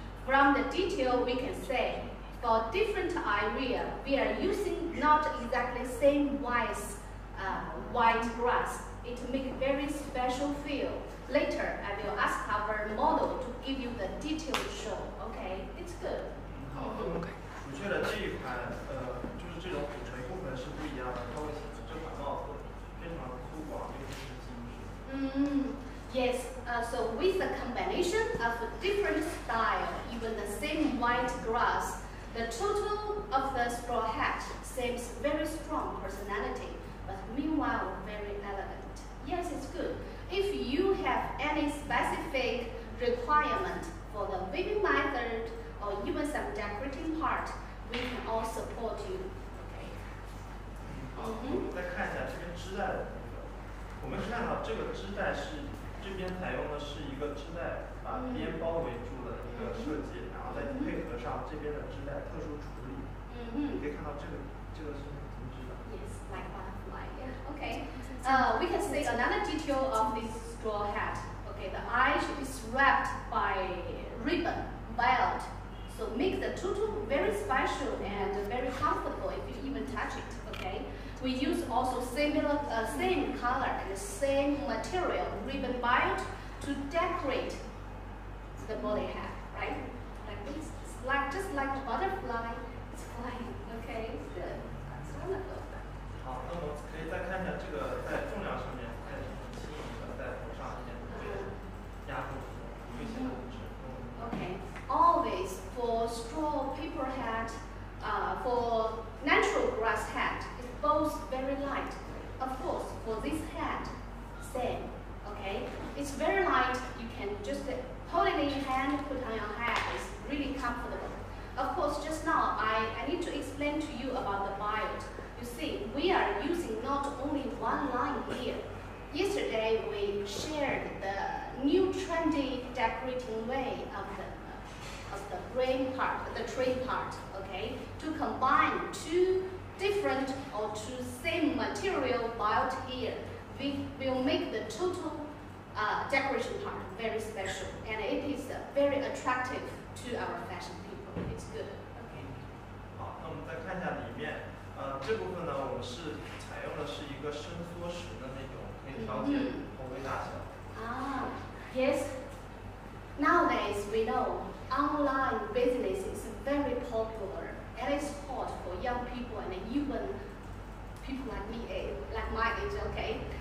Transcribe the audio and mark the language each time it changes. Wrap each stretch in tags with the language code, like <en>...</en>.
<en>From the detail, we can say for different area, we are using not exactly same wise, white grass. It make a very special feel. Later, I will ask our model to give you the detailed show. Okay, it's good.</en> <zh>好，准确的这一款，就是这种组成部分是不一样的，它会显得这款帽子非常粗犷，非常精致。</zh> <en>Yes. So with the combination of a different style, even the same white grass, the total of the straw hat seems very strong personality, but meanwhile very elegant. Yes, it's good. If you have any specific requirement for the weaving method or even some decorating part, we can all support you. Okay.</en> <zh>好，我们再看一下这边织带的部分。我们是看到这个织带是这边采用的是一个织带把边包围住的一个设计，然后再配合上这边的织带特殊处理。你可以看到这个是很精致的。</zh> <en>Yes, like that. Okay, we can see another detail of this straw hat. Okay, the eye is wrapped by ribbon, belt, so make the tutu very special and very comfortable if you even touch it, okay? We use also similar, same color and the same material, ribbon belt, to decorate the body hat, right? Like this, like, just like the butterfly, it's flying, okay? It's good, that's wonderful.</en> <zh>好，那么可以再看一下这个在重量上面，看什么轻盈的在头上一点不会压住，不会显得很沉。</zh> <en>Okay, always for straw paper hat, for natural grass hat, it's both very light. Of course, for this hat, same. Okay, it's very light. You can just hold it in your hand, put on your hat. It's really comfortable. Of course, just now I need to explain to you about the build. You see, we are using not only one line here. Yesterday, we shared the new trendy decorating way of the brain part, the tree part, okay? To combine two different or two same material built here, we will make the total decoration part very special. And it is very attractive to our fashion people. It's good, okay?</en> <zh>这部分呢，我们是采用的是一个伸缩时的那种，可以调节头围大小。</zh> <en>Yes. Nowadays we know online business is very popular and it's hot for young people and even people like me, like my age. Okay.</en>